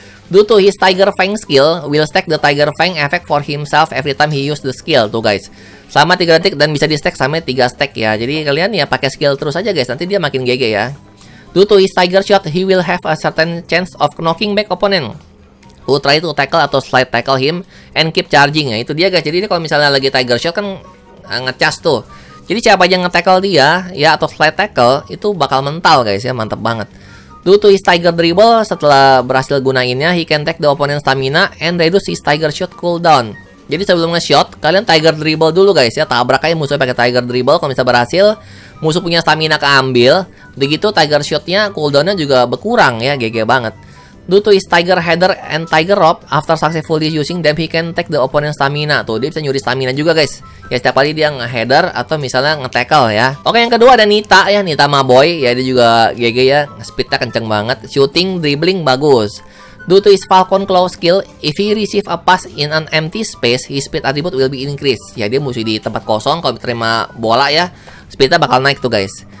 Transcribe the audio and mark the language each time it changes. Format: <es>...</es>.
<en>Due to his Tiger Fang skill, will stack the Tiger Fang effect for himself every time he use the skill.</en> <id>Tuh, guys. Selama 3 detik dan bisa di-stack sampai 3 stack ya. Jadi, kalian ya pakai skill terus aja, guys. Nanti dia makin GG ya.</id> <en>Due to his tiger shot, he will have a certain chance of knocking back opponent who try to tackle atau slide tackle him and keep charging.</en> <id>Ya, itu dia guys. Jadi ini kalau misalnya lagi tiger shot kan ngecas tuh. Jadi siapa aja nge-tackle dia ya atau slide tackle itu bakal mental guys ya, mantap banget.</id> <en>Due to his tiger dribble,</en> <id>setelah berhasil gunainnya,</id> <en>he can take the opponent stamina and reduce his tiger shot cooldown.</en> <id>Jadi sebelum nge-shot, kalian tiger dribble dulu guys ya, tabrak aja musuh pakai tiger dribble. Kalau misalnya berhasil, musuh punya stamina keambil, begitu tiger shotnya cooldownnya juga berkurang ya, GG banget.</id> <en>due to his Tiger Header and Tiger Rob, after successfully using them, he can take the opponent's stamina.</en> <id>Tuh, dia bisa nyuri stamina juga, guys. Ya, setiap kali dia nge-header atau misalnya nge-tackle, ya. Oke, yang kedua ada Nita, ya. Nita Maboy. Ya, dia juga GG, ya. Speednya kenceng banget. Shooting, dribbling, bagus.</id> <en>Due to his Falcon Claw skill, if he receive a pass in an empty space, his speed attribute will be increased.</en> <id>Ya, dia musuh di tempat kosong, kalau terima bola, ya, speednya bakal naik tuh, guys.</id>